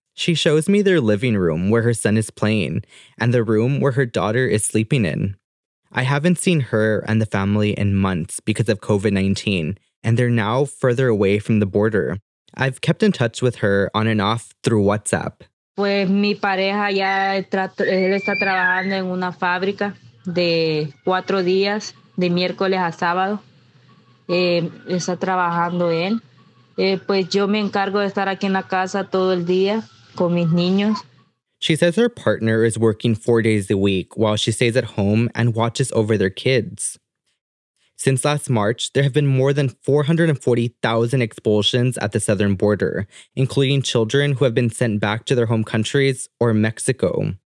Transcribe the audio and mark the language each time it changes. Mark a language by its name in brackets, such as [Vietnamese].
[English] She shows me their living room where her son is playing and the room where her daughter is sleeping in. I haven't seen her and the family in months because of COVID-19, and they're now further away from the border. I've kept in touch with her on and off through WhatsApp. [Spanish] Pues mi pareja ya está trabajando en una fábrica de 4 días, de miércoles a sábado. Está trabajando él. Pues yo me encargo de estar aquí en la casa todo el día con mis niños. [English] She says her partner is working 4 days a week while she stays at home and watches over their kids. Since last March, there have been more than 440,000 expulsions at the southern border, including children who have been sent back to their home countries or Mexico.